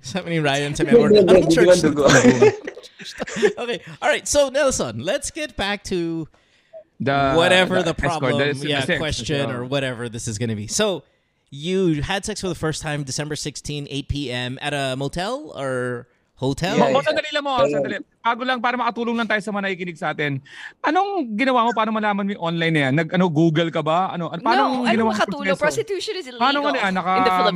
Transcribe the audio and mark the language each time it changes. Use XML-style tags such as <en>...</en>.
<tl>Sabi ni Ryan sa memory. Anong church? Okay.</tl> <en>Alright, so Nelson, let's get back to the question or whatever this is going to be. So, you had sex for the first time December 16, 8 p.m. at a motel or hotel?</en> <tl>Sandali lang mo. Bago lang para makatulong lang tayo sa mga nakikinig sa atin. Anong ginawa mo? Paano malaman mo yung online na yan? Google ka ba? Paano makatulong?</tl> <en>Prostitution is illegal in the Philippines.</en>